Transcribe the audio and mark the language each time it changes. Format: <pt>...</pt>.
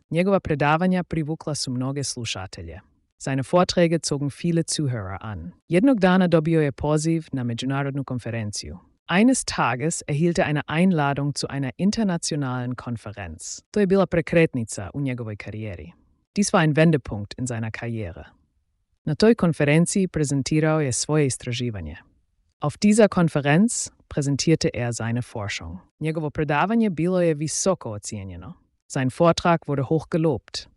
<hr>Njegova predavanja privukla su mnoge slušatelje.</hr> <de>Seine Vorträge zogen viele Zuhörer an.</de> <hr>Jednog dana dobio je poziv na međunarodnu konferenciju.</hr> <de>Eines Tages erhielt er eine Einladung zu einer internationalen Konferenz.</de> <hr>To je bila prekretnica u njegovoj karijeri.</hr> <de>Dies war ein Wendepunkt in seiner Karriere.</de> <hr>Na toj konferenciji präsentirao je svoje istraživanje.</hr> <de>Auf dieser Konferenz präsentierte er seine Forschung.</de> <hr>Njegovo predavanje bilo je visoko ocijenjeno.</hr> <de>Sein Vortrag wurde hoch gelobt.</de>